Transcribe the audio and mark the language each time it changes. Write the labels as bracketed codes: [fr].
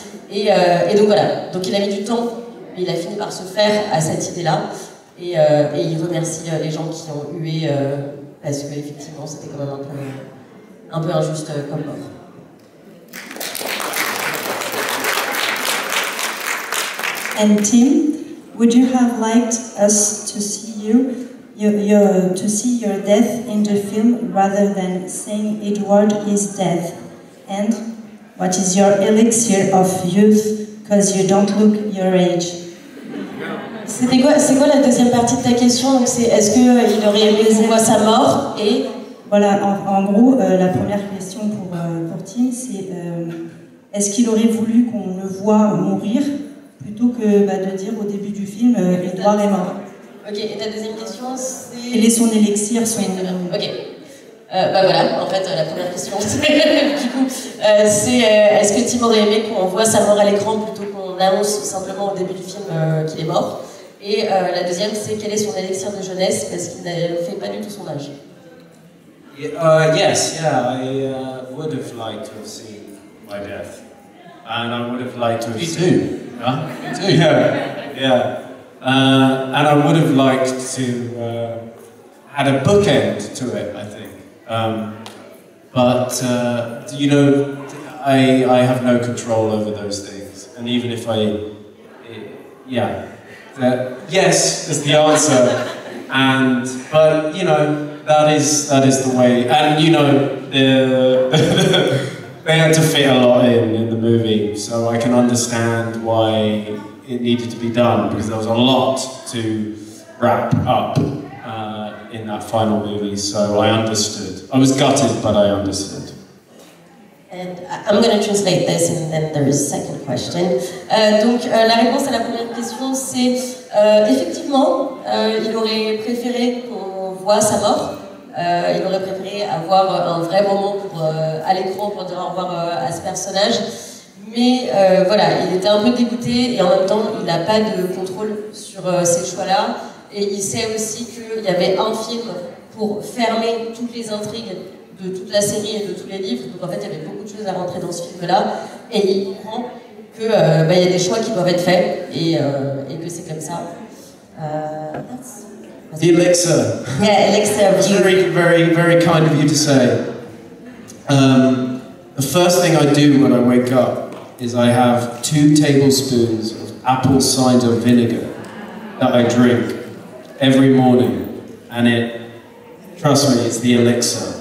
[fr] Et donc voilà, donc il a mis du temps, il a fini par se faire à cette idée-là, et il remercie les gens qui ont hué. Parce que effectivement, c'était quand même un peu injuste comme mort. [en] And Tim, would you have liked us to see your death in the film rather than saying Edward is dead? And what is your elixir of youth? Because you don't look your age. [fr] C'est quoi la deuxième partie de ta question? C'est est-ce qu'il aurait aimé qu'on voit sa mort et... Voilà, en gros, la première question pour Tim, c'est est-ce qu'il aurait voulu qu'on le voit mourir plutôt que de dire au début du film, Edouard est mort. Ok, et ta deuxième question, c'est... Quel est son élixir, son... Oui, ok. Voilà, en fait, la première question, est-ce que Tim aurait aimé qu'on voit sa mort à l'écran plutôt qu'on annonce simplement au début du film qu'il est mort? Et la deuxième, c'est quel est son élixir de jeunesse, parce qu'il ne fait pas du tout son âge. [en] I would have liked to have seen my death. And I would have liked to have seen... Me too. Huh? Me too. Yeah. And I would have liked to had a bookend to it, I think. I have no control over those things. And even if I... yes is the answer, And but you know, that is the way. And you know, they had to fit a lot in the movie, so I can understand why it needed to be done, because there was a lot to wrap up in that final movie. So I understood. I was gutted, but I understood. And I'm going to translate this, and then there is a second question. [fr] Donc, la réponse à la première question, c'est effectivement, il aurait préféré qu'on voit sa mort. Il aurait préféré avoir un vrai moment pour, à l'écran pour dire au revoir à ce personnage. Mais voilà, il était un peu dégoûté et en même temps, il n'a pas de contrôle sur ces choix-là. Et il sait aussi qu'il y avait un film pour fermer toutes les intrigues de toute la série et de tous les livres, donc en fait il y avait beaucoup de choses à rentrer dans ce film-là, et il comprend que bah, il y a des choix qui doivent être faits, et que c'est comme ça. [en] The elixir. Yeah, elixir. Very, very, very kind of you to say. The first thing I do when I wake up is I have 2 tablespoons of apple cider vinegar that I drink every morning, and it, trust me, it's the elixir.